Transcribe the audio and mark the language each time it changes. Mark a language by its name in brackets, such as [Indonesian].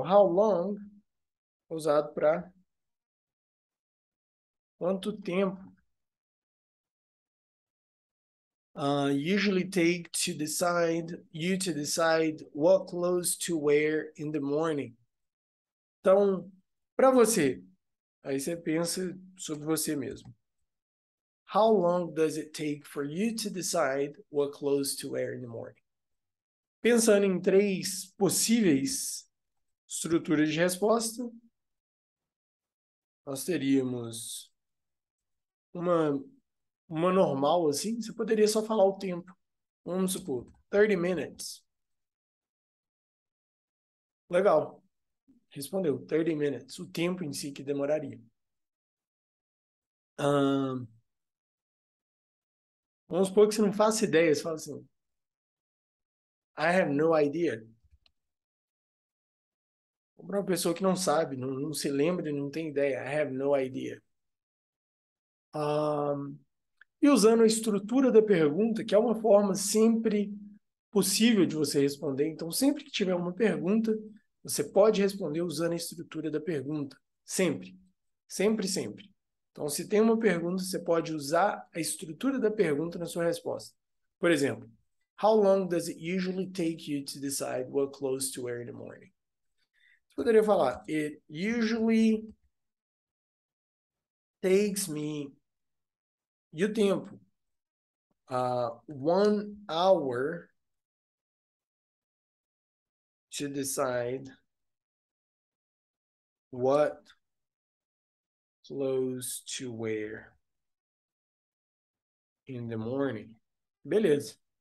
[English] How long [Portuguese] usado para quanto tempo? [English] Usually take to decide, you to decide what clothes to wear in the morning. [Portuguese] Então, para você, aí você pensa sobre você mesmo. [English] How long does it take for you to decide what clothes to wear in the morning? [Portuguese] Pensando em três possíveis estruturas de resposta, nós teríamos uma normal assim, você poderia só falar o tempo. Vamos supor, 30 minutes. Legal. Respondeu, 30 minutes, o tempo em si que demoraria. Vamos supor que você não faça ideia, você fala assim, [English] I have no idea. [Portuguese] Para uma pessoa que não sabe, não se lembra e não tem ideia. [English] I have no idea. [Portuguese] E usando a estrutura da pergunta, que é uma forma sempre possível de você responder. Então, sempre que tiver uma pergunta, você pode responder usando a estrutura da pergunta. Sempre. Sempre, sempre. Então, se tem uma pergunta, você pode usar a estrutura da pergunta na sua resposta. Por exemplo, [English] how long does it usually take you to decide what clothes to wear in the morning? [Portuguese] Poderia falar, [English] it usually takes me, [Portuguese] e o tempo, [English] 1 hour to decide what clothes to wear in the morning. [Portuguese] Beleza.